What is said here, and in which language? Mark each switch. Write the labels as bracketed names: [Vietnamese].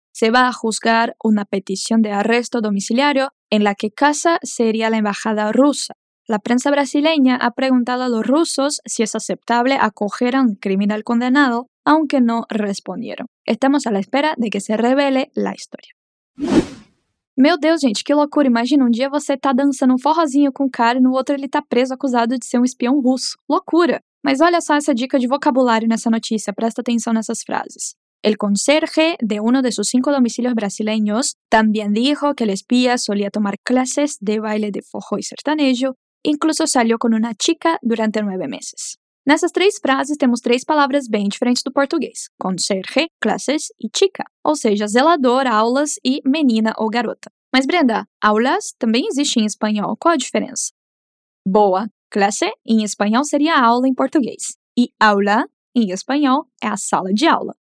[Spanish] Se va a juzgar una petición de arresto domiciliario en la que casa sería la embajada rusa. La prensa brasileña ha preguntado a los rusos si es aceptable acoger a un criminal condenado, aunque no respondieron. Estamos a la espera de que se revele la historia. [Portuguese] Meu Deus, gente, que loucura. Imagina, um dia você tá dançando um forrozinho com um cara e no outro ele tá preso acusado de ser um espião russo. Loucura! Mas olha só essa dica de vocabulário nessa notícia, presta atenção nessas frases. [Spanish] El conserje de uno de sus 5 domicilios brasileños también dijo que el espía solía tomar clases de baile de forró y sertanejo, incluso salió con una chica durante 9 meses. [Portuguese] Nessas três frases, temos três palavras bem diferentes do português. Conserje, classes e chica. Ou seja, zelador, aulas e menina ou garota. Mas, Brenda, aulas também existe em espanhol. Qual a diferença? Boa. Clase, em espanhol, seria aula em português. E aula, em espanhol, é a sala de aula.